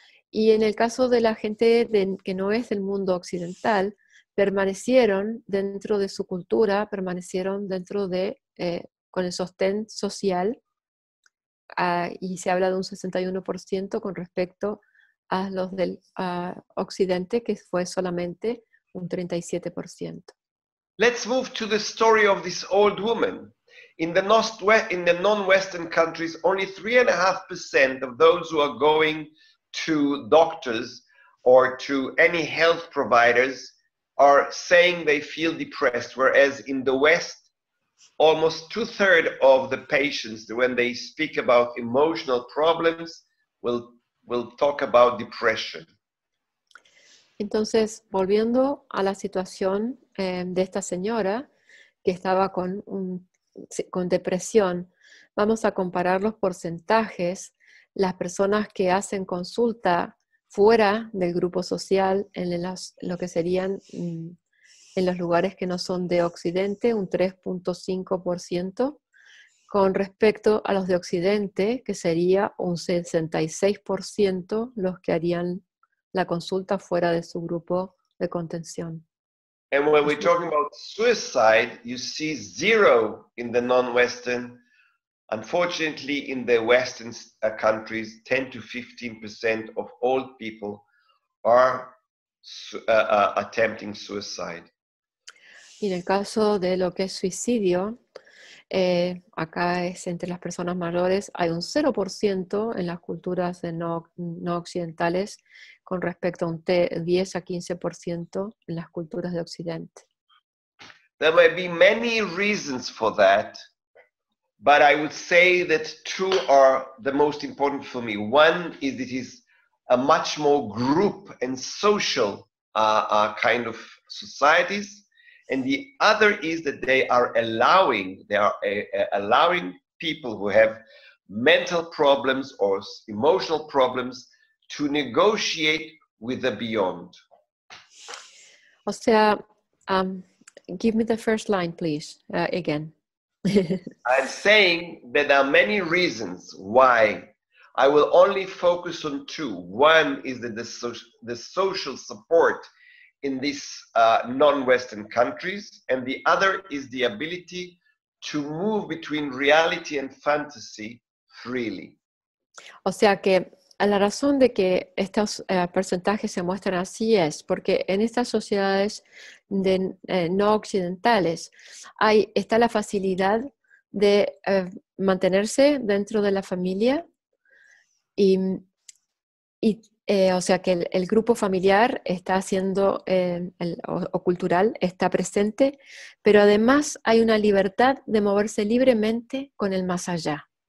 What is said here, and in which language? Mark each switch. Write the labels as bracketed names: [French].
[Spanish] Y en el caso de la gente que no es del mundo occidental, permanecieron dentro de su cultura, permanecieron dentro de, con el sostén social, y se habla de un 61% con respecto a los del occidente, que fue solamente un 37%. [English] Let's move to the story of this old woman. In the non-Western countries, only 3.5% of those who are going to doctors or to any health providers are saying they feel depressed, whereas in the West, almost 2/3 of the patients, when they speak about emotional problems, will talk about depression. [Spanish] Entonces, volviendo a la situación de esta señora que estaba con depresión, vamos a comparar los porcentajes. Las personas que hacen consulta fuera del grupo social, en los lugares que no son de Occidente, un 3.5%, con respecto a los de Occidente, que sería un 66% los que harían la consulta fuera de su grupo de contención. [English] And when we're talking about suicide, you see zero in the non-Western. Unfortunately, in the Western countries, 10 to 15% of old people are attempting suicide. [Spanish] Y en el caso de lo que es suicidio, acá es entre las personas mayores, hay un 0% en las culturas de no occidentales con respecto a un 10 a 15% en las culturas de Occidente. [English] There may be many reasons for that, but I would say that two are the most important for me. One is it is a much more group and social kind of societies. And the other is that they are allowing people who have mental problems or emotional problems to negotiate with the beyond. [Spanish] O sea, [English] give me the first line, please, again. I'm saying that there are many reasons why. I will only focus on two. One is that the social support in these non-Western countries, and the other is the ability to move between reality and fantasy freely. [Spanish] O sea que la razón de que estos porcentajes se muestran así es porque en estas sociedades de, no occidentales hay, está la facilidad de mantenerse dentro de la familia y o sea que el grupo familiar está haciendo, o cultural, está presente, pero además hay una libertad de moverse libremente con el más allá.